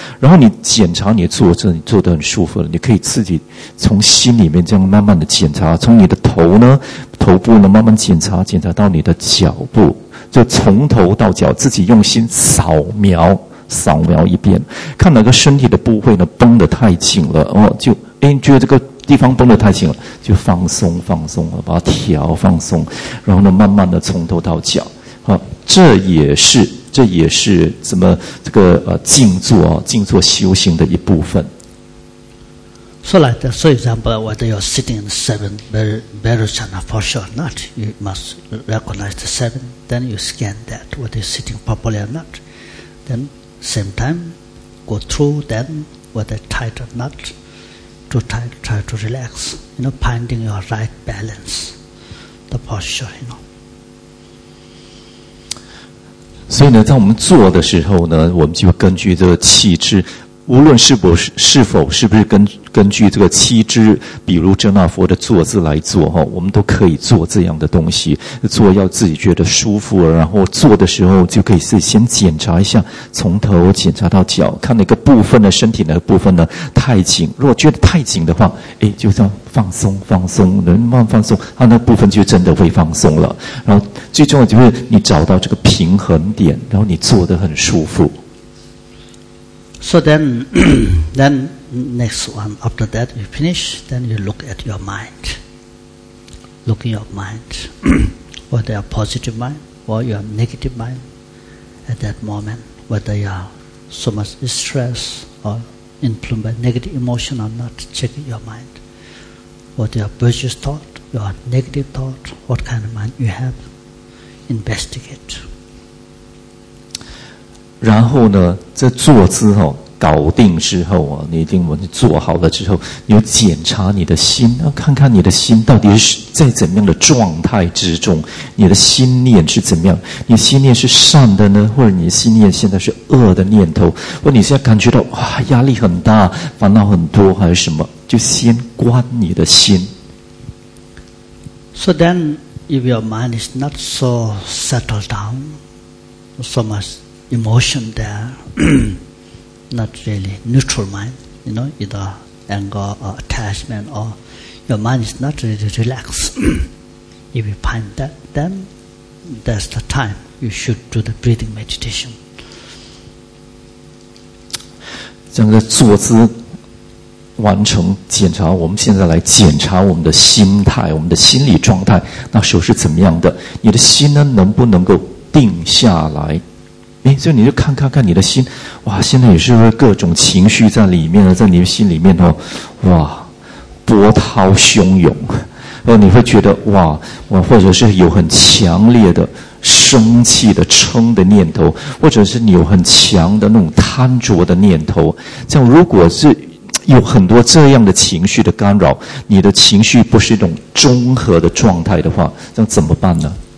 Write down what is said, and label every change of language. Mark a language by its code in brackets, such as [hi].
[zh] 然后你检查你的坐姿，你坐得很舒服了，你可以自己从心里面这样慢慢的检查，从你的头呢，头部呢慢慢检查到你的脚部，就从头到脚自己用心扫描一遍，看哪个身体的部位呢绷得太紧了，就哎觉得这个。地方绷得太紧了，就放松放松了，把它调放松，然后呢，慢慢的从头到脚，好，这也是怎么这个静坐修行的一部分。 [en] So like that, so example, whether you're sitting in seven Bhairavasana for sure or not, you must recognize the seven, then you scan that whether you're sitting properly or not. then same time go through them whether tight or not, to try to relax, you know, finding your right balance, the posture, you know. [zh] 所以呢，在我们做的时候呢，我们就根据这个气质，无论是否是不是根据这个七支，比如真纳佛的坐姿来做哈，我们都可以做这样的东西，做要自己觉得舒服，然后做的时候就可以先检查一下，从头检查到脚，看哪个部分的身体哪个部分呢太紧，如果觉得太紧的话，哎，就这样放松放松，能慢慢放松，它那部分就真的会放松了。然后最重要就是你找到这个平衡点，然后你做得很舒服。 [en] So then next one, after that you finish, then you look at your mind. Look in your mind, whether you are positive mind or you are negative mind at that moment, whether you are so much stress or influenced by negative emotion or not, check in your mind. Whether you are virtuous thought, you are negative thought, what kind of mind you have, investigate. [zh] 然后呢，这坐姿哦，搞定之后啊，你一定我们做好了之后，你要检查你的心，要看看你的心到底是在怎么样的状态之中，你的心念是怎么样？你心念是善的呢，或者你的心念现在是恶的念头？或者你现在感觉到哇，压力很大，烦恼很多，还是什么？就先观你的心。 [en] So then, if your mind is not so settled down, so much. Emotion there, not really neutral mind, you know, either anger or attachment, or your mind is not really relaxed. If you find that, then that's the time you should do the breathing meditation. [zh] 这个坐姿完成检查，我们现在来检查我们的心态，我们的心理状态，那时候是怎么样的？你的心呢，能不能够定下来？哎，所以你就看你的心，哇，现在也是各种情绪在里面了，在你的心里面哦，哇，波涛汹涌，哦，你会觉得哇，我或者是有很强烈的生气的嗔的念头，或者是你有很强的那种贪着的念头，这样如果是有很多这样的情绪的干扰，你的情绪不是一种综合的状态的话，这样怎么办呢？